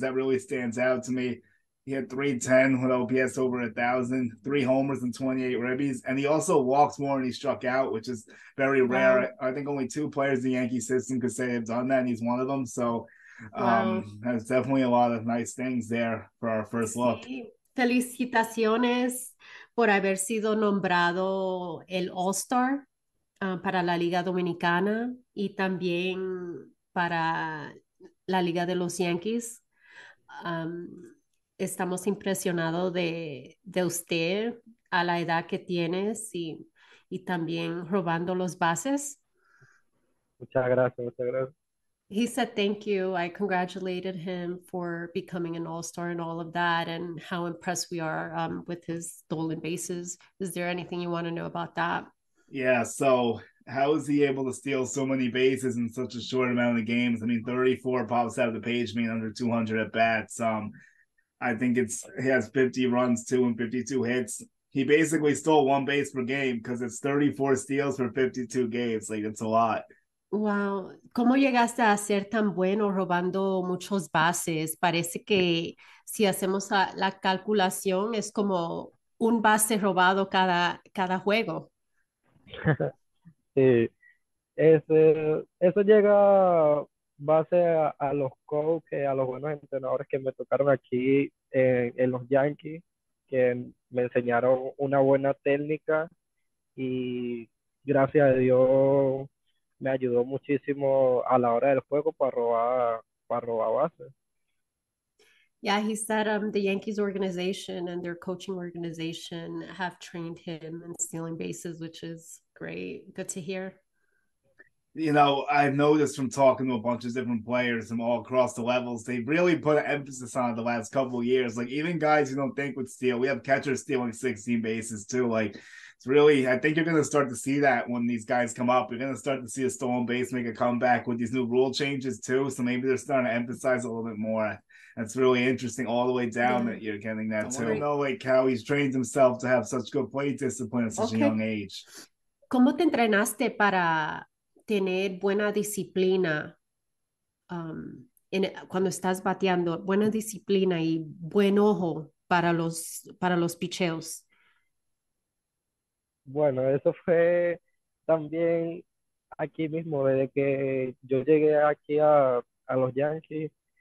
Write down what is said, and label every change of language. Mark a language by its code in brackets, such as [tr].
[en] That really stands out to me. He had 310 with OPS over 1,000, 3 homers and 28 ribbies. And he also walked more than he struck out, which is very Wow. rare. I think only two players in the Yankee system could say they've done that, and he's one of them. So Wow. that's definitely a lot of nice things there for our first look. [es] Sí, felicitaciones por haber sido nombrado el All-Star para la Liga Dominicana y también para la Liga de los Yankees. Estamos impresionados de usted a la edad que tienes y también robando los bases. Muchas gracias, muchas gracias. [en] He said thank you. I congratulated him for becoming an all-star and all of that, and how impressed we are with his stolen bases. Is there anything you want to know about that? Yeah, so how is he able to steal so many bases in such a short amount of games? I mean, 34 pops out of the page, mean under 200 at bats. I think he has 50 runs too and 52 hits. He basically stole one base per game because it's 34 steals for 52 games. Like, it's a lot. [es] Wow, ¿cómo llegaste a ser tan bueno robando muchos bases? Parece que si hacemos la calculación es como un base robado cada juego. Sí, eso llega base a los coaches, a los buenos entrenadores que me tocaron aquí en los Yankees, que me enseñaron una buena técnica y gracias a Dios me ayudó muchísimo a la hora del juego para robar bases. [en] Yeah, he said the Yankees organization and their coaching organization have trained him in stealing bases, which is great. Good to hear. I've noticed from talking to a bunch of different players from all across the levels, they really put an emphasis on it the last couple of years. Like, even guys you don't think would steal, we have catchers stealing 16 bases too. Like, it's really, I think you're going to start to see that when these guys come up. You're going to start to see a stolen base make a comeback with these new rule changes too. So maybe they're starting to emphasize a little bit more. That's really interesting, all the way down Yeah, that you're getting that don't too. You worry. know, like how he's trained himself to have such good plate discipline at such a young Okay. age. [es] ¿Cómo te entrenaste para tener buena disciplina cuando estás bateando? Buena disciplina y buen ojo para los pitcheos. Bueno, eso fue también aquí mismo, desde que yo llegué aquí a los Yankees.